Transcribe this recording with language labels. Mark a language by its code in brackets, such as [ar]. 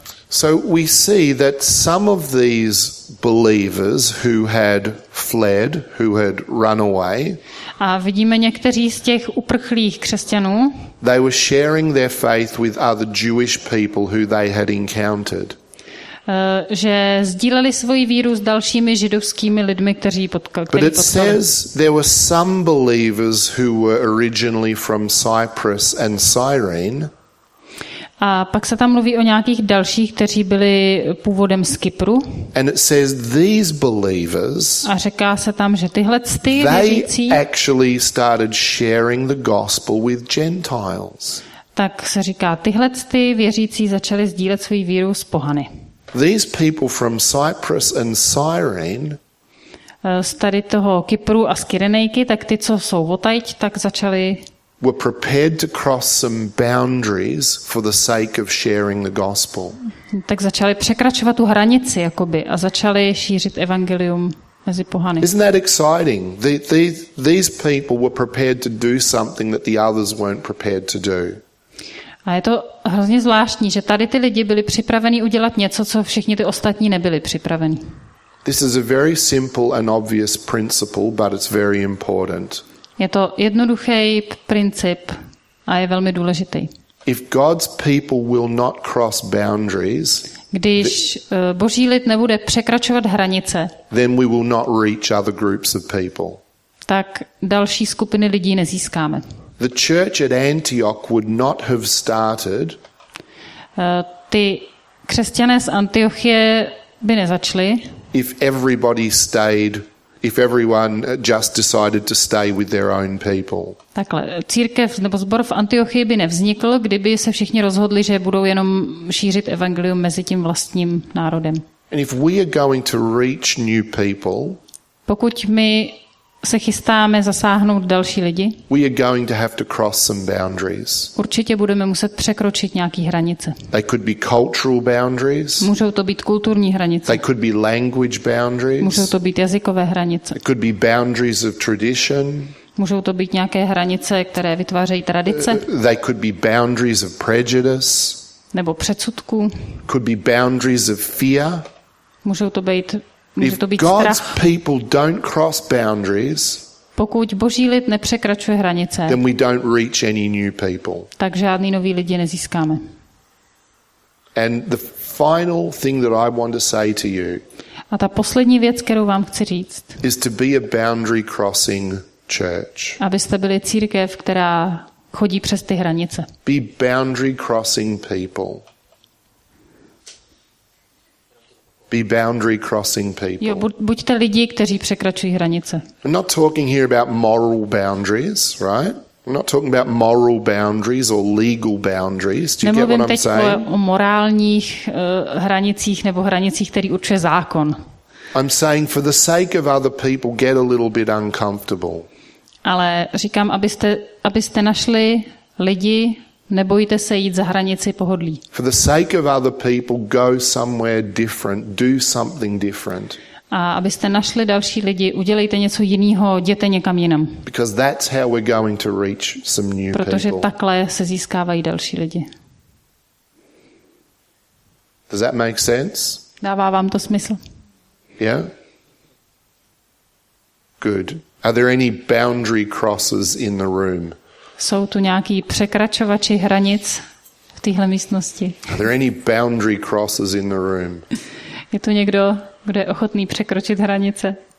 [en] So we see that some of these believers who had fled, who had run away. [cs] A vidíme někteří z těch uprchlých křesťanů. [en] They were sharing their faith with other Jewish people who they had encountered. [cs] Že sdíleli svoji víru s dalšími židovskými lidmi, kteří potkali. [en] But it says there were some believers who were originally from Cyprus and Cyrene. [cs] A pak se tam mluví o nějakých dalších, kteří byli původem z Kypru. [en] And it says these believers. [cs] A říká se tam, že tyhle ty věřící [en] actually started sharing the gospel with Gentiles. [cs] Tak se říká, tyhle ty věřící začali sdílet svoji víru s pohany. [en] These people from Cyprus and Cyrene. [cs] Z tady toho Kypru a z Kyrenejky, tak ty, co jsou odtaď, tak začali. [en] Were prepared to cross some boundaries for the sake of sharing the gospel. [cs] Tak začali překračovat tu hranici, jakoby, a začali šířit evangelium mezi pohany. [en] Isn't that exciting? These people were prepared to do something that the others weren't prepared to do. [cs] A je to hrozně zvláštní, že tady ty lidi byli připraveni udělat něco, co všichni ty ostatní nebyli připraveni. [en] This is a very simple and obvious principle, but it's very important. [cs] Je to jednoduchý princip a je velmi důležitý. [en] If God's people will not cross boundaries, [cs] Když Boží lid nebude překračovat hranice, [en] then we will not reach other groups of people. [cs] Tak další skupiny lidí nezískáme. [en] The church at Antioch would not have started. [cs] Ty křesťané z Antiochie by nezačali. [en] If everybody stayed, if everyone just decided to stay with their own people. [cs] Takhle církev nebo sbor v Antiochii by nevznikl, kdyby se všichni rozhodli, že budou jenom šířit evangelium mezi tím vlastním národem. [en] And if we are going to reach new people, [cs] pokud my se chystáme zasáhnout další lidi, [en] we are going to have to cross some boundaries. [cs] Určitě budeme muset překročit nějaké hranice. [en] They could be cultural boundaries. [cs] Můžou to být kulturní hranice. [en] They could be language boundaries. [cs] Můžou to být jazykové hranice. [en] They could be boundaries of tradition. [cs] Můžou to být nějaké hranice, které vytvářejí tradice. [en] They could be boundaries of prejudice. [cs] Nebo předsudků. [en] Could be boundaries of fear. [cs] Můžou to být strach. [en] God's people don't cross boundaries, [cs] pokud Boží lid nepřekračuje hranice, [en] then we don't reach any new people. [cs] Tak žádný nový lidi nezískáme. [en] And the final thing that I want to say to you, [cs] a ta poslední věc, kterou vám chci říct, [en] is to be a boundary crossing church. [cs] Abyste byli církev, která chodí přes ty hranice. [en] Be boundary crossing people. Be boundary crossing people. [cs] Jo, buďte lidi, kteří překračují hranice. [en] I'm not talking here about moral boundaries, right? I'm not talking about moral boundaries or legal boundaries. Do you [cs] nemluvím [en] get what I'm saying? [cs] O morálních hranicích nebo hranicích, které určuje zákon. [en] I'm saying for the sake of other people, get a little bit uncomfortable. [cs] Ale říkám, abyste našli lidi. Nebojte se jít za hranici pohodlí. [en] For the sake of other people, go somewhere different, do something different. [cs] A abyste našli další lidi, udělejte něco jiného, jděte někam jinam. [en] Because that's how we're going to reach some new people. [cs] Protože takhle se získávají další lidi. [en] Does that make sense? [cs] Dává vám to smysl? [en] Yeah. Good. Are there any boundary crosses in the room? [cs] Jsou tu nějaký překračovači hranic v téhle místnosti? [en] Are there any boundary crosses in the room? [cs] Je tu někdo, kdo je ochotný překročit hranice?